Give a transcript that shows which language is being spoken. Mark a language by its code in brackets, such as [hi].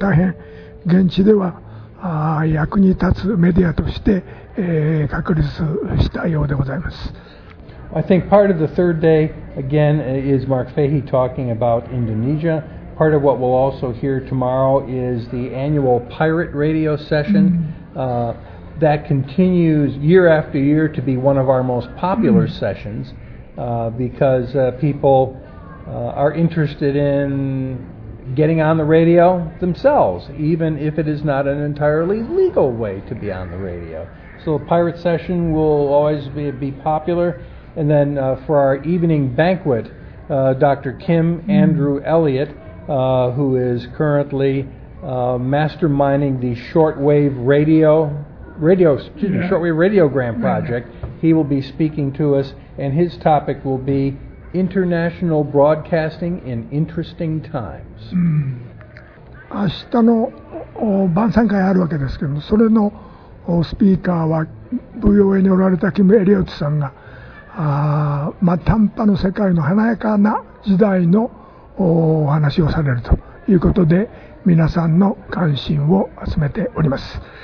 [ja] 大変現地では役に立つメディアとして、確立したようでございます。 [en] I think part of the third day, again, is Mark Fahey talking about Indonesia. Part of what we'll also hear tomorrow is the annual pirate radio session that continues year after year to be one of our most popular sessions because people are interested in getting on the radio themselves, even if it is not an entirely legal way to be on the radio. So the pirate session will always be popular. And then for our evening banquet, Dr. Kim Andrew Elliott, who is currently masterminding the shortwave radio, shortwave radiogram project, He will be speaking to us, and his topic will be International Broadcasting in Interesting Times. [ja] 明日の晩餐会あるわけですけども、それのスピーカーは VOA におられたキム・エリオットさんが、短波の世界の華やかな時代のお話をされるということで、皆さんの関心を集めております。